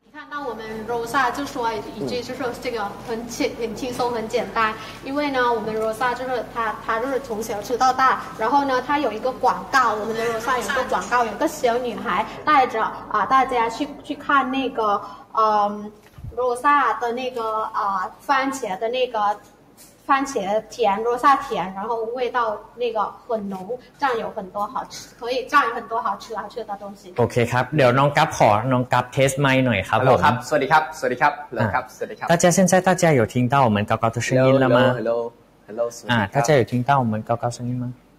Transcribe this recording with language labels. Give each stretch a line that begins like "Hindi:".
Chinese: 那我们 Rosa 就说一句，就是这个很轻松很简单，因为呢我们 Rosa 就是他就是从小吃到大，然后呢他有一个广告，我们的 Rosa 有一个广告，有个小女孩带着大家去看那个Rosa 的那个番茄的那个番茄甜 Rosa 甜，然后味道那个很浓，蘸有很多好吃，可以蘸很多好吃好吃的东西。
Thai: โอเคครับเดี๋ยวน้องกัปขอน้องกัปเทสไมค์หน่อยครับผม ครับสวัสดีครับสวัสดีครับเลิฟครับสวัสดีครับ
Chinese: 大家现在大家有听到我们高高的声音了吗
English: Hello
Chinese: 大家有听到我们高高声音吗